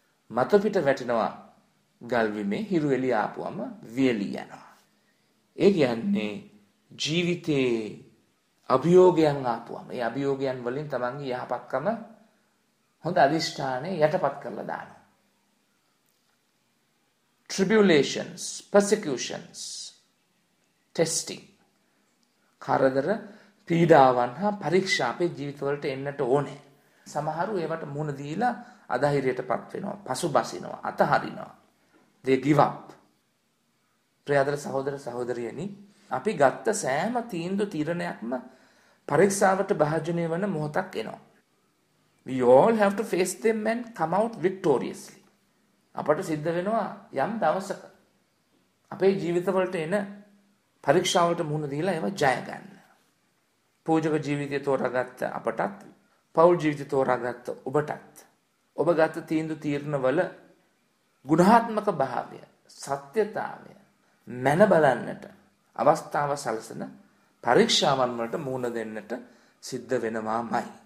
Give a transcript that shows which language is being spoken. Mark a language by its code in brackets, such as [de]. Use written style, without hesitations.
[si] මත පිට වැටෙනවා ගල් විමේ හිරු එළි ආපුවම වියලි යනවා. ඒ කියන්නේ ජීවිතේ අභියෝගයන් ආපුවම ඒ අභියෝගයන් වලින් තමන්ගේ යහපත්කම හොඳ අදිෂ්ඨානේ යටපත් කරලා දානවා. [en] tribulations, persecutions, testing. [si] කරදර පීඩාවන් හා පරීක්ෂා අපේ ජීවිතවලට එන්නට ඕනේ. සමහරු ඒවට මුහුණ දීලා අධෛර්යයටපත් වෙනවා, පසුබසිනවා, අතහරිනවා. [en] They give up. [si] ප්‍රියදර සහෝදර සහෝදරියනි, අපි ගත්ත සෑම තීන්දුව තීරණයක්ම පරීක්ෂාවට භාජනය වන මොහොතක් එනවා. [en] We all have to face them and come out victoriously. [si] අපට සිද්ධ වෙනවා යම් දවසක අපේ ජීවිතවලට එන පරීක්ෂාවට මුහුණ දීලා ඒව ජය ගන්න. පූජක ජීවිතය තෝරාගත්ත අපටත්, පෞල් ජීවිතය තෝරාගත්ත ඔබටත් ඔබ ගත තීන්දුව තීරණවල ගුණාත්මක භාවය, සත්‍යතාවය මැන බලන්නට අවස්ථාව සලසන පරීක්ෂාවන් වලට මුහුණ දෙන්නට සිද්ධ වෙනවාමයි.